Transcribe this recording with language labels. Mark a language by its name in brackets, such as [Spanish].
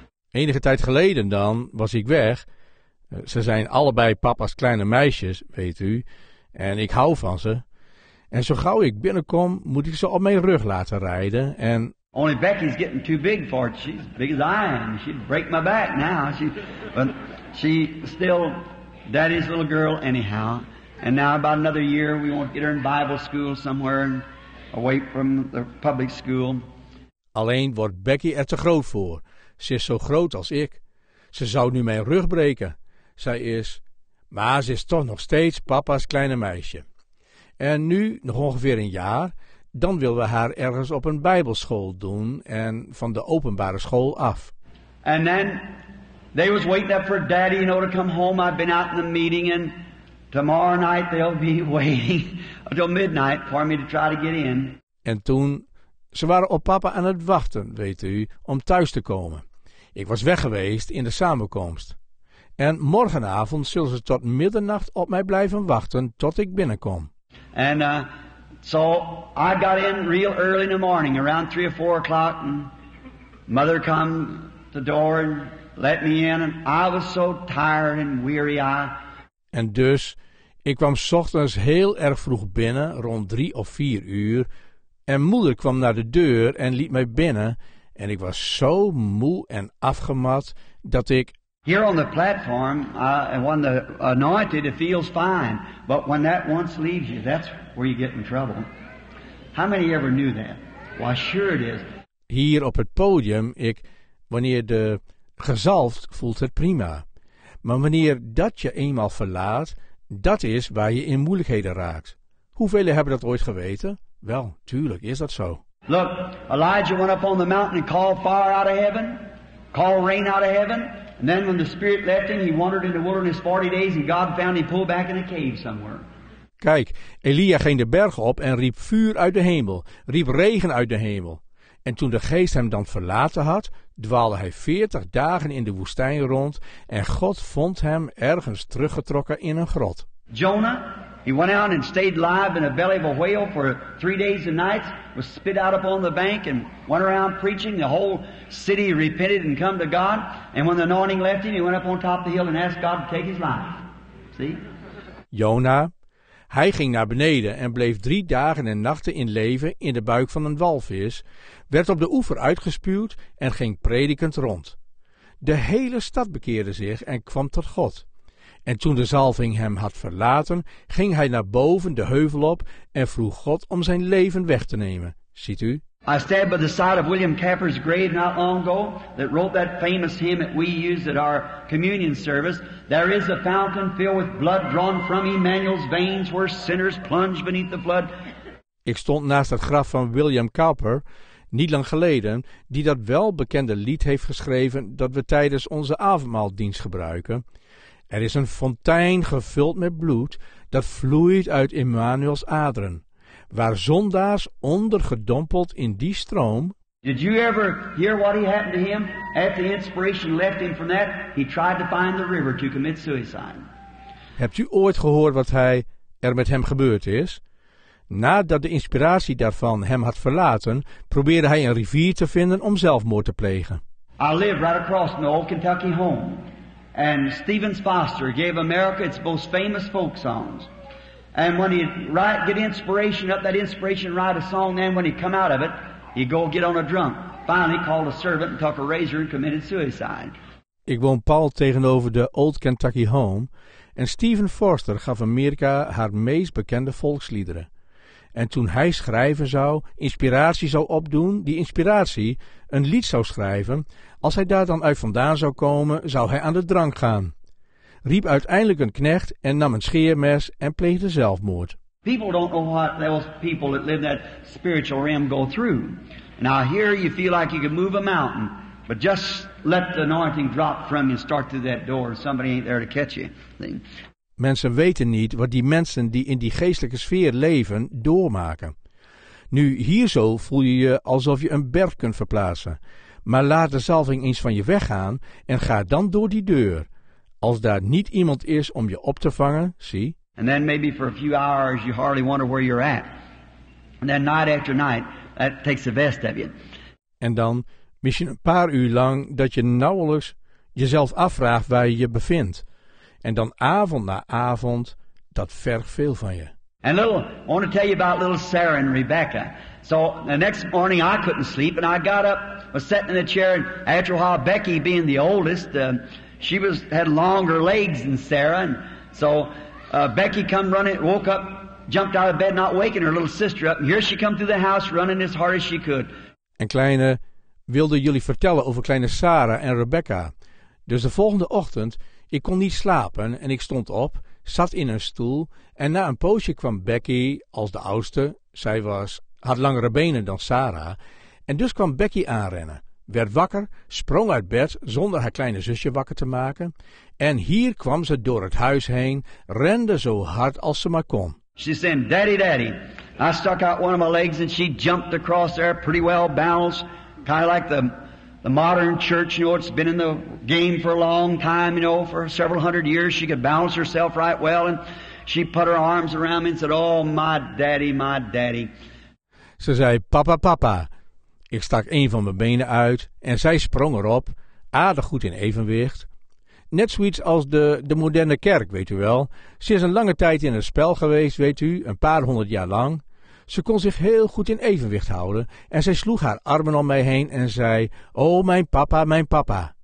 [Dutch] Enige tijd geleden dan was ik weg. Ze zijn allebei papa's kleine meisjes, weet u. En ik hou van ze. En zo gauw ik binnenkom, moet ik ze op mijn rug laten rijden. En [English] only Becky's getting too big for it. She's big as I am. She'd break my back now. But she still daddy's little girl anyhow. And now about another year we won't get her in Bible school somewhere and away from the public school. [Dutch] Alleen wordt Becky er te groot voor. Ze is zo groot als ik. Ze zou nu mijn rug breken. Zij is, maar ze is toch nog steeds papa's kleine meisje. En nu, nog ongeveer een jaar, dan willen we haar ergens op een bijbelschool doen en van de openbare school af. [English] And then they was waiting up for daddy, you know, to come home. I've been out in the meeting and tomorrow night they'll be waiting until midnight for me to try to get in. [Dutch] En toen, ze waren op papa aan het wachten, weet u, om thuis te komen. Ik was weg geweest in de samenkomst. En morgenavond zullen ze tot middernacht op mij blijven wachten tot ik binnenkom. [English] And so I got in real early in the morning, around 3 or 4 o'clock, and mother come to the door and let me in, and I was so tired and weary. [Dutch] En dus, ik kwam 's ochtends heel erg vroeg binnen, rond 3 of 4 uur, en moeder kwam naar de deur en liet mij binnen, en ik was zo moe en afgemat dat ik [English] here on the platform, when the anointed, it feels fine. But when that once leaves you, that's where you get in trouble. How many ever knew that? Well, sure it is. [Dutch] Hier op het podium, wanneer de gezalfd voelt het prima. Maar wanneer dat je eenmaal verlaat, dat is waar je in moeilijkheden raakt. Hoeveel hebben dat ooit geweten? Wel, tuurlijk is dat zo. [English] Look, Elijah went up on the mountain and called fire out of heaven. Called rain out of heaven. And then when the Spirit left him, he wandered in the wilderness 40 days and God found him pulled back in a cave somewhere. [Dutch] Kijk, Elia ging de berg op en riep vuur uit de hemel, riep regen uit de hemel. En toen de geest hem dan verlaten had, dwaalde hij 40 dagen in de woestijn rond en God vond hem ergens teruggetrokken in een grot. [English] Jonah, he went out and stayed alive in the belly of a whale for 3 days and nights, was spit out upon the bank and went around preaching. The whole city repented and come to God. And when the anointing left him, he went up on top of the hill and asked God to take his life. See? [Dutch] Jonah, hij ging naar beneden en bleef 3 dagen en nachten in leven in de buik van een walvis, werd op de oever uitgespuwd en ging predikend rond. De hele stad bekeerde zich en kwam tot God. En toen de zalving hem had verlaten, ging hij naar boven de heuvel op en vroeg God om zijn leven weg te nemen. Ziet u? [English] I stand by the side of William Capper's grave not long ago, that wrote that famous hymn that we use at our communion service. There is a fountain filled with blood drawn from Emmanuel's veins where sinners plunge beneath the flood. [Dutch] Ik stond naast het graf van William Capper, niet lang geleden, die dat welbekende lied heeft geschreven dat we tijdens onze avondmaaldienst gebruiken. Er is een fontein gevuld met bloed dat vloeit uit Emmanuels aderen, waar zondaars ondergedompeld in die stroom. [English] Did you ever hear what he happened to him? After inspiration left him from that, he tried to find the river to commit suicide. [Dutch] Hebt u ooit gehoord wat er met hem gebeurd is? Nadat de inspiratie daarvan hem had verlaten, probeerde hij een rivier te vinden om zelfmoord te plegen. [English] I live right across from the old Kentucky home. And Stephen Foster gave America its most famous folk songs. And when he'd write, get inspiration up that inspiration, write a song, then when he'd come out of it, he'd go get on a drunk. Finally called a servant and took a razor and committed suicide. [Dutch] Ik woon pal tegenover de Old Kentucky Home. En Stephen Foster gaf Amerika haar meest bekende volksliederen. En toen hij schrijven zou, inspiratie zou opdoen, die inspiratie, een lied zou schrijven, als hij daar dan uit vandaan zou komen, zou hij aan de drank gaan. Riep uiteindelijk een knecht en nam een scheermes en pleegde zelfmoord. [English] People don't know what those people that live that spiritual realm go through. Now here you feel like you can move a mountain, but just let the anointing drop from you and start through that door. Somebody ain't there to catch you. [Dutch] Mensen weten niet wat die mensen die in die geestelijke sfeer leven doormaken. Nu, hier zo voel je je alsof je een berg kunt verplaatsen. Maar laat de zalving eens van je weggaan en ga dan door die deur. Als daar niet iemand is om je op te vangen, zie. [English] And then maybe for a few hours you hardly wonder where you're at. And then night after night, that takes the best of you. [Dutch] En dan misschien een paar uur lang dat je nauwelijks jezelf afvraagt waar je je bevindt. En dan avond na avond, dat vergt veel van je. [English] And little, I want to tell you about little Sarah and Rebecca. So the next morning I couldn't sleep and I got up, was sitting in the chair, and after a while Becky, being the oldest, she was had longer legs than Sarah, and so Becky come running, woke up, jumped out of bed, not waking her little sister up. And here she come through the house running as hard as she could. [Dutch] En kleine, wilde jullie vertellen over kleine Sarah en Rebecca. Dus de volgende ochtend, ik kon niet slapen en ik stond op, zat in een stoel, en na een poosje kwam Becky als de oudste. Zij was had langere benen dan Sarah. En dus kwam Becky aanrennen, werd wakker, sprong uit bed zonder haar kleine zusje wakker te maken. En hier kwam ze door het huis heen, rende zo hard als ze maar kon. [English] She said, "Daddy, daddy." I stuck out one of my legs and she jumped across there pretty well balanced. Kind of like the modern church, you know, it's been in the game for a long time, you know, for several hundred years. She could balance herself right well and she put her arms around me and said, "Oh, my daddy, my daddy." [Dutch] Ze zei, "Papa, papa." Ik stak een van mijn benen uit en zij sprong erop, aardig goed in evenwicht. Net zoiets als de moderne kerk, weet u wel. Ze is een lange tijd in het spel geweest, weet u, een paar honderd jaar lang. Ze kon zich heel goed in evenwicht houden en zij sloeg haar armen om mij heen en zei, "Oh, mijn papa, mijn papa."